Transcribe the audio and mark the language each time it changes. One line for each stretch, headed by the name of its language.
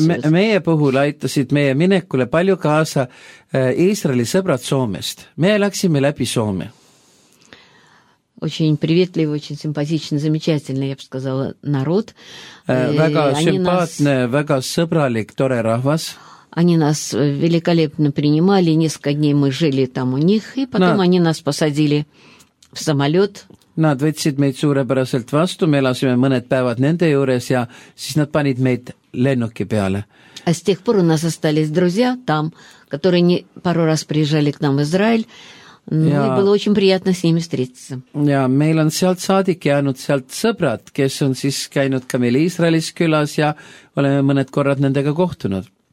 Estonian: Meie puhul aitasid meie minekule palju kaasa Iisraeli sõbrad Soomest. Me läksime läbi Soome.
Russian: Очень приветливый, очень симпатичный, замечательный, я бы сказала, народ.
Estonian: Väga симпатный, väga сõbralik, tore rahvas.
Russian: Они нас великолепно принимали, несколько дней мы жили там у них, и потом они нас посадили в самолет.
Estonian: Nad võtsid meid suurepäraselt vastu, me elasime mõned päevad nende juures ja siis nad panid meid lennuki peale.
Russian: А с тех пор у нас остались друзья там, которые не пару раз приезжали к нам в Израиль. Ja, было очень приятно с ними встретиться.
Estonian: Ja meil on sealt saadik jäänud sealt sõbrad, kes on siis käinud ka meil Iisraelis külas ja oleme mõned korrad nendega kohtunud.